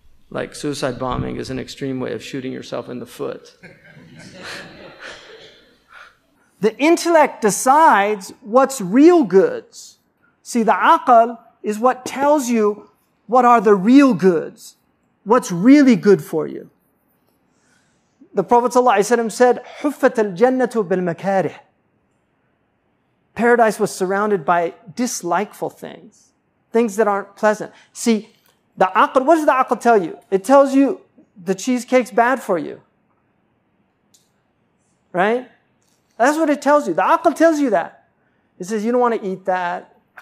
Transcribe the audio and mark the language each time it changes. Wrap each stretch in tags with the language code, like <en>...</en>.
<en>Like suicide bombing is an extreme way of shooting yourself in the foot. The intellect decides what's real goods. See, the aqal is what tells you what are the real goods, what's really good for you. The Prophet ﷺ said,</en> <ar>حُفَّتَ الْجَنَّةُ بِالْمَكَارِهِ.</ar> <en>Paradise was surrounded by dislikeful things, things that aren't pleasant. See, the aql, what does the aql tell you? It tells you the cheesecake's bad for you. Right? That's what it tells you. The aql tells you that. It says you don't want to eat that.</en>